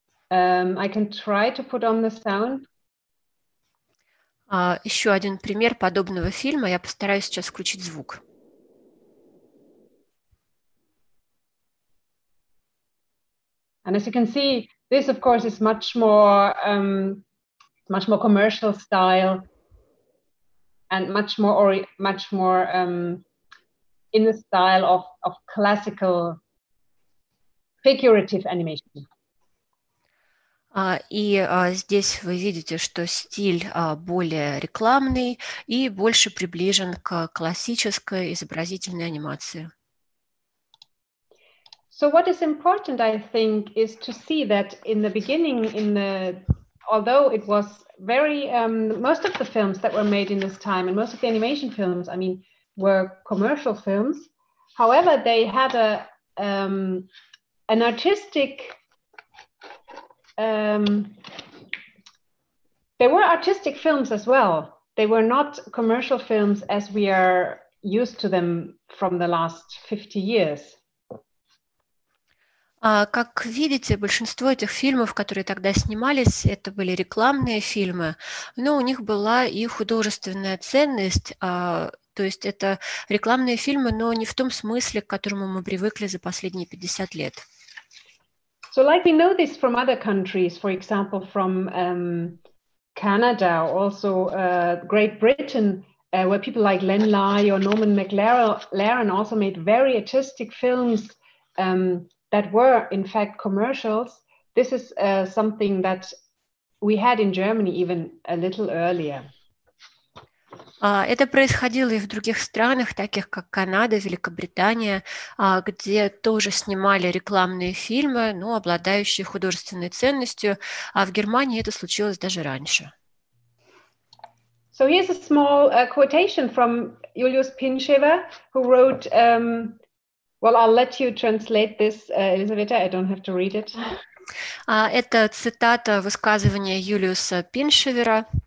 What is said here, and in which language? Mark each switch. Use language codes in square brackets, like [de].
[en] I can try to put on the sound. [ru] Еще один пример подобного фильма. Я постараюсь сейчас включить звук. [en] And as you can see, this, of course, is much more commercial style and much more in the style of classical figurative animation. [ru] Здесь вы видите, что стиль более рекламный и больше приближен к классической изобразительной анимации. [en] So what is important, I think, is to see that in the beginning, although it was very most of the films that were made in this time and most of the animation films, I mean, were commercial films. However, they had an artistic there were artistic films as well. They were not commercial films as we are used to them from the last 50 years. [ru] Как видите, большинство этих фильмов, которые тогда снимались, это были рекламные фильмы, но у них была и художественная ценность, то есть это рекламные фильмы, но не в том смысле, к которому мы привыкли за последние 50 лет. [en] So like we know this from other countries, for example, from Canada, also Great Britain, where people like Len Lye or Norman McLaren also made very artistic films that were, in fact, commercials. This is something that we had in Germany even a little earlier. [ru] Это происходило и в других странах, таких как Канада, Великобритания, где тоже снимали рекламные фильмы, но обладающие художественной ценностью. А в Германии это случилось даже раньше. [en] So here's a small quotation from Julius Pinschewa, who wrote, well, I'll let you translate this, Elisaveta, I don't have to read it. [ru] Это цитата высказывания Юлиуса Пиншевера.